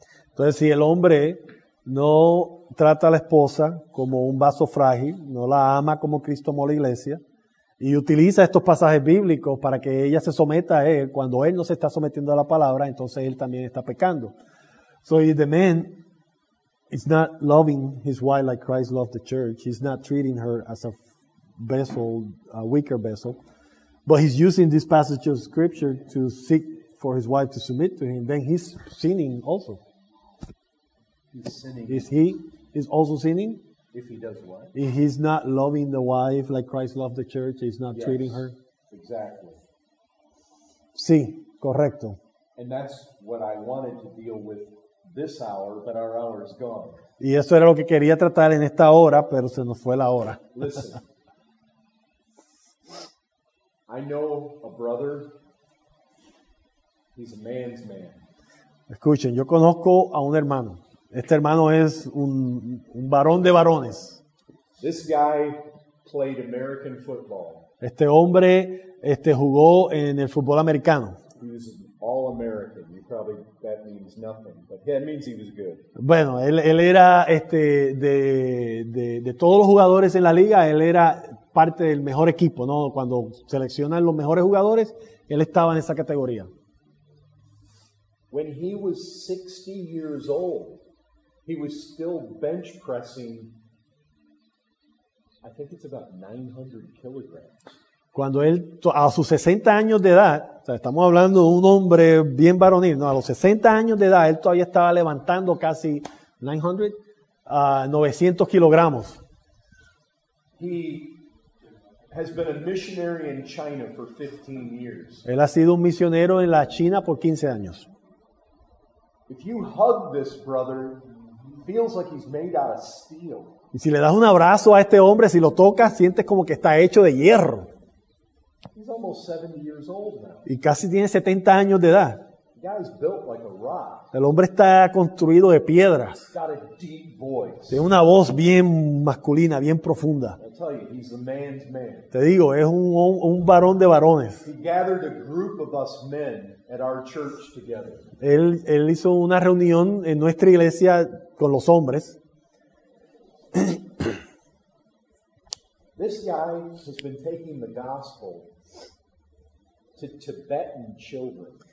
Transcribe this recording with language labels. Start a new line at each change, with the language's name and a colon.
Spanish: Entonces, si el hombre no trata a la esposa como un vaso frágil, no la ama como Cristo amó la iglesia, y utiliza estos pasajes bíblicos para que ella se someta a él, cuando él no se está sometiendo a la palabra, entonces él también está pecando.
English: So if the man is not loving his wife like Christ loved the church, he's not treating her as a vessel, a weaker vessel, but he's using this passage of scripture to seek for his wife to submit to him, then he's sinning also. Is he also sinning? If he does what? If he's not loving the wife like Christ loved the church, he's not treating her. Exactly.
Spanish: Sí, correcto.
English: And that's what I wanted to deal with this hour, but our hour is gone.
Spanish: Y eso era lo que quería tratar en esta hora, pero se nos fue la hora.
English: Listen. I know a brother. He's a man's man.
Spanish: Escuchen, yo conozco a un hermano. Este hermano es un varón de varones.
English: This guy played American football.
Spanish: Este hombre jugó en el fútbol americano.
English: He was all American. You probably, that means nothing, but that means he was good.
Spanish: Bueno, él era de todos los jugadores en la liga, él era parte del mejor equipo, ¿no? Cuando seleccionan los mejores jugadores, él estaba en esa categoría.
English: When he was 60 years old, he was still bench pressing, I think it's about 900 kilograms.
Spanish: Cuando él, a sus 60 años de edad, o sea, estamos hablando de un hombre bien varonil, ¿no? A los 60 años de edad, él todavía estaba levantando casi 900 kilogramos.
English: He has been a missionary in China for 15 years.
Spanish: Él ha sido un misionero en la China por 15 años.
English: If you hug this brother, feels like he's made out of steel.
Spanish: Y si le das un abrazo a este hombre, si lo tocas, sientes como que está hecho de hierro.
English: He's almost 70 years old now.
Spanish: Y casi tiene 70 años de edad.
English: The guy's built like a rock.
Spanish: El hombre está construido de piedras.
English: He's got a deep voice.
Spanish: Tiene una voz bien masculina, bien profunda.
English: I'll tell you, he's a man's man.
Spanish: Te digo, es un varón de varones.
English: He gathered a group of us men at our church together.
Spanish: Él hizo una reunión en nuestra iglesia con los hombres.
English: This guy has been taking the gospel to Tibetan children.